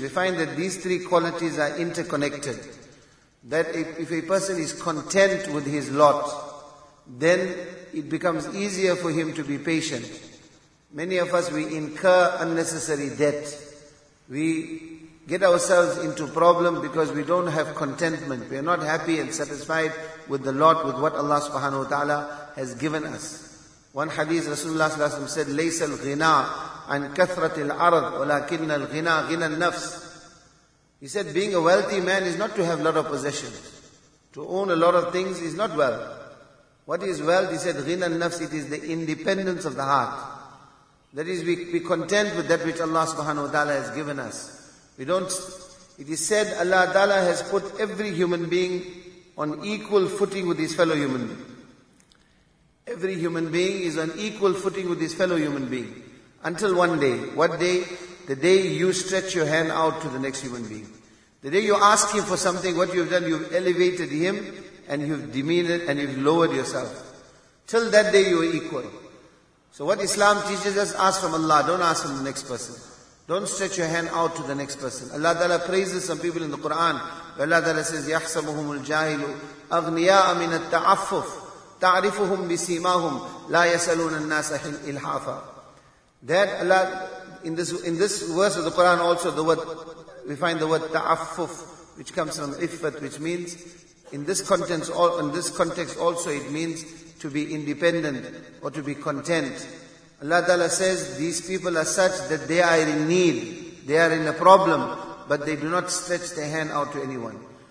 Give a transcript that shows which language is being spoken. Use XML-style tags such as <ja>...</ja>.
<en>We find that these three qualities are interconnected. That if a person is content with his lot, then it becomes easier for him to be patient. Many of us, we incur unnecessary debt. We get ourselves into problem because we don't have contentment. We are not happy and satisfied with the lot, with what Allah subhanahu wa ta'ala has given us. One hadith, Rasulullah sallallahu alayhi wa sallam said,</en> <ar>لَيْسَ الْغِنَىٰ عَنْ كَثْرَةِ الْعَرَضِ وَلَكِنَّ الْغِنَىٰ غِنَى النَّفْسِ.</ar> <en>He said, being a wealthy man is not to have a lot of possessions. To own a lot of things is not wealth. What is wealth? He said,</en> <ar>غِنَى النَّفْسِ,</ar> <en>it is the independence of the heart. That is, we be content with that which Allah subhanahu wa ta'ala has given us. We don't, it is said Allah ta'ala has put every human being on equal footing with his fellow human being. Every human being is on equal footing with his fellow human being. Until one day. What day? The day you stretch your hand out to the next human being. The day you ask him for something, what you've done, you've elevated him and you've demeaned and you've lowered yourself. Till that day you are equal. So what Islam teaches us, ask from Allah, don't ask from the next person. Don't stretch your hand out to the next person. Allah Ta'ala praises some people in the Quran. Allah Ta'ala says,</en> <ar>يَحْسَبُهُمُ الْجَاهِلُ أَغْنِيَاءَ مِنَ التَّعَفُّفُ تَعْرِفُهُمْ بِسِيمَاهُمْ لَا يَسَلُونَ النَّاسَ إِلْحَافًا.</ar> <en>That Allah, in this verse of the Quran also, the word, we find the word ta'affuf, which comes from iffat, which means, in this context also, it means to be independent or to be content. Allah Ta'ala says, these people are such that they are in need, they are in a problem, but they do not stretch their hand out to anyone.</en>